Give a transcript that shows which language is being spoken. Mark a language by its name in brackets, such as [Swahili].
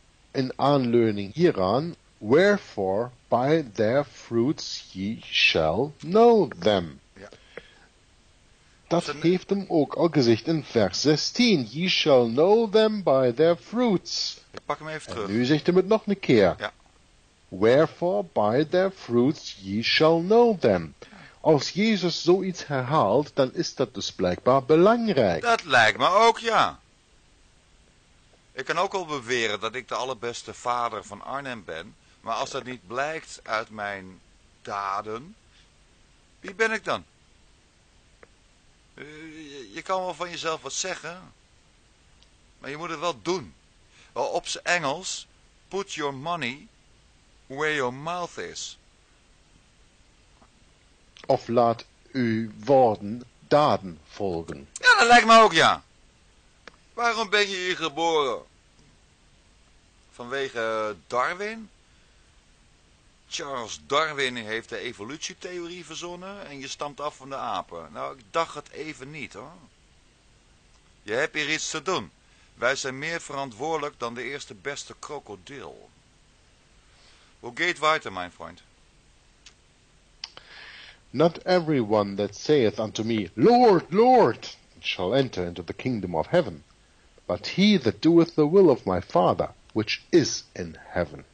[Dutch] In aanleuning hieraan, [English] wherefore by their fruits ye shall know them. [Dutch] Ja. Dat heeft hem ook al gezegd in vers 16. [English] Ye shall know them by their fruits. [Dutch] Ik pak hem even terug. En nu zegt hem het nog een keer. Ja. [English] Wherefore by their fruits ye shall know them. [Dutch] Als Jezus zoiets herhaalt, dan is dat dus blijkbaar belangrijk. Dat lijkt me ook, ja. Ik kan ook wel beweren dat ik de allerbeste vader van Arnhem ben, maar als dat niet blijkt uit mijn daden, wie ben ik dan? Je kan wel van jezelf wat zeggen, maar je moet het wel doen. Op z'n Engels, [English] put your money where your mouth is. [Dutch] Of laat uw woorden daden volgen. Ja, dat lijkt me ook, ja. Waarom ben je hier geboren? Vanwege Darwin. Charles Darwin heeft de evolutietheorie verzonnen en je stamt af van de apen. Nou, ik dacht het even niet, hoor. Je hebt hier iets te doen. Wij zijn meer verantwoordelijk dan de eerste beste krokodil. Hoe gaat het verder, mijn vriend? [English] Not everyone that saith unto me, Lord, Lord, shall enter into the kingdom of heaven, but he that doeth the will of my Father, which is in heaven.